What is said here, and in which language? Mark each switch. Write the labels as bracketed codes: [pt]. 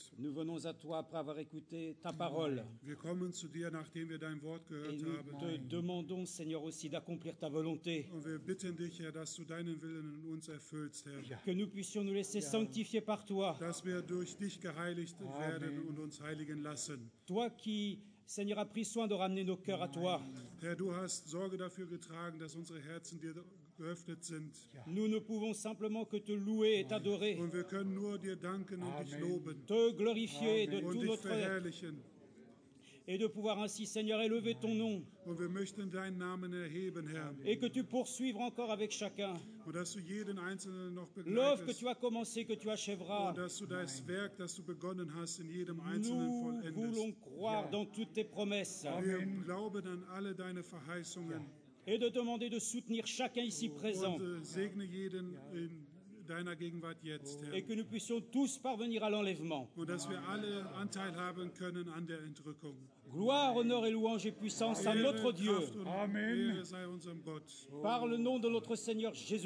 [fr] nous venons à toi après avoir écouté ta parole. [de] Wir kommen zu dir, nachdem wir dein Wort gehört haben. [fr] Et nous te demandons, Seigneur, aussi d'accomplir ta volonté. [de] Und wir bitten dich, Herr, dass du deinen Willen in uns erfüllst, Herr. [fr] Que nous puissions nous laisser sanctifier par toi. [de] Dass wir durch dich geheiligt werden und uns heiligen lassen. [fr] Toi qui, Seigneur, a pris soin de ramener nos cœurs à toi. [de] Herr, du hast Sorge dafür getragen, dass unsere Herzen dir geöffnet sind. [fr] Nous ne pouvons simplement que te louer et t'adorer. [de] Und wir können nur dir danken und dich loben. [fr] Te glorifier de tout notre [de] verherrlichen. [fr] Et de pouvoir ainsi, Seigneur, élever ton nom. [de] Und wir möchten deinen Namen erheben, Herr. [fr] Et que tu poursuivres encore avec chacun. [de] Und dass du jeden Einzelnen noch begleitest. [fr] L'œuvre que tu as commencé, que tu achèveras. [de] Und dass du das Werk, das du begonnen hast, in jedem Einzelnen vollendest. [fr] Nous voulons croire dans toutes tes promesses. [de] Wir glauben an alle deine Verheißungen. [fr] Et de demander de soutenir chacun ici présent. [de] Und segne jeden in deiner Gegenwart jetzt, Herr. [fr] Et que nous puissions tous parvenir à l'enlèvement. [de] Und dass wir alle Anteil haben können an der Entrückung. [fr] Gloire, honneur et louange et puissance à notre Dieu. [de] Amen. Ehre sei unserem Gott. [fr] Par le nom de notre Seigneur Jésus-Christ.